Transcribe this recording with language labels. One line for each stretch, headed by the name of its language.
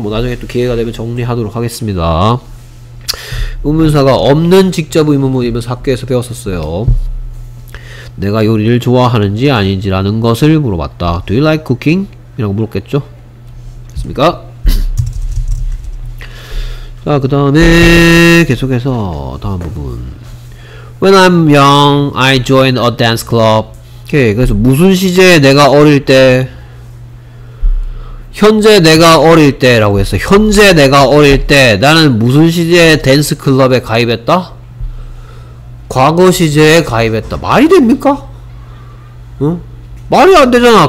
Korean: 뭐 나중에 또 기회가 되면 정리하도록 하겠습니다. 의문사가 없는 직접 의문문이면서 학교에서 배웠었어요. 내가 요리를 좋아하는지 아닌지 라는 것을 물어봤다.
English: Do you like cooking?
Korean: 이라고 물었겠죠? 됐습니까? 자, 그 다음에 계속해서 다음 부분.
English: When I'm young, I join a dance club.
Korean: 오케이, 그래서 무슨 시제에 내가 어릴 때 현재 내가 어릴 때 라고 했어. 현재 내가 어릴 때 나는 무슨 시제에 댄스 클럽에 가입했다? 과거 시제에 가입했다. 말이 됩니까? 응? 말이 안 되잖아.